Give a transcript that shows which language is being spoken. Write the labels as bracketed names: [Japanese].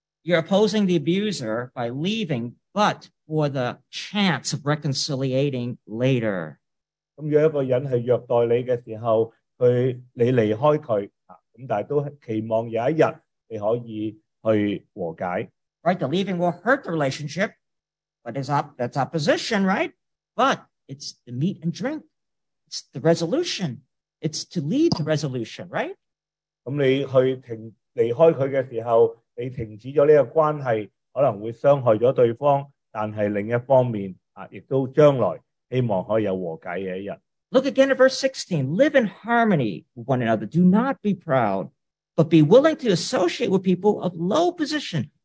[English] You're opposing the abuser by leaving, but for the chance of reconciliating later. [Cantonese] 咁如果一个人系虐待你嘅时候，佢你离开佢，咁但系都期望有一日你可以去和解。Right, [English] the leaving will hurt the relationship, but that's opposition, right? But it's the meat and drink, it's the resolution, it's to lead to resolution, right? [Cantonese] 咁你去离开佢嘅时候。你停止咗呢个关系，可能会伤害咗对方，但系另一方面，亦都将来希望可以有和解嘅一日。Look [English] again at verse 16. Live in harmony with one another. Do not be proud, but be willing to associate with people of low position.